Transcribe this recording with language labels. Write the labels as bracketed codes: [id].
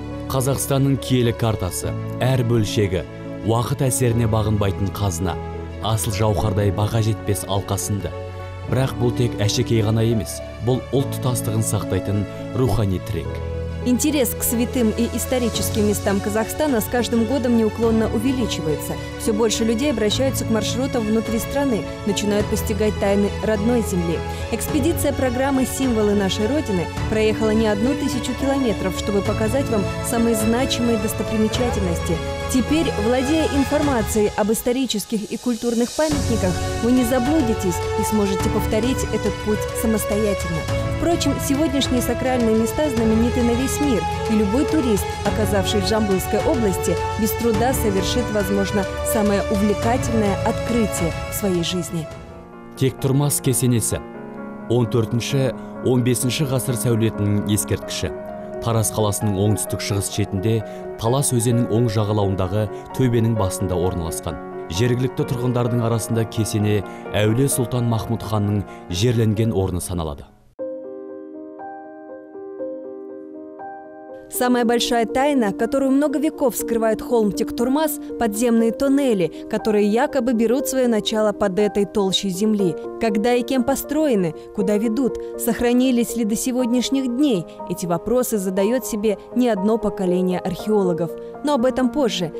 [kk] Қазақстанның киелі картасы, әр бөлшегі, уақыт әсеріне бағынбайтын қазына, асыл жауқардай баға жетпес алқасында. Бірақ бұл тек әшекей ғана емес, бұл ұлт тұтастығын сақтайтын рухани тірек. [ru] Интерес к святым и историческим местам Казахстана с каждым годом неуклонно увеличивается. Все больше людей обращаются к маршрутам внутри страны, начинают постигать тайны родной земли. Экспедиция программы «Символы нашей Родины» проехала не одну тысячу километров, чтобы показать вам самые значимые достопримечательности. Теперь, владея информацией об исторических и культурных памятниках, вы не заблудитесь и сможете повторить этот путь самостоятельно. Впрочем, сегодняшние сакральные места знамениты на весь мир, и любой турист, оказавшийся в Жамбылской области, без труда совершит, возможно, самое увлекательное открытие в своей жизни. [kk] Тектурмас кесенесі. 14-15 ғасыр сәулетінің ескерткіші. Тарас қаласының оңтүстік-шығыс шетінде, Талас өзенінің оң жағалауындағы төбенің басында орналасқан. Жергілікті тұрғындардың арасында кесене Әуле Сұлтан Махмұт ханның жерленген орны саналады. [ru] Самая большая тайна, которую много веков скрывает холм Тектурмас – подземные тоннели, которые якобы берут свое начало под этой толщей земли. Когда и кем построены, куда ведут, сохранились ли до сегодняшних дней – эти вопросы задает себе не одно поколение археологов. Но об этом позже.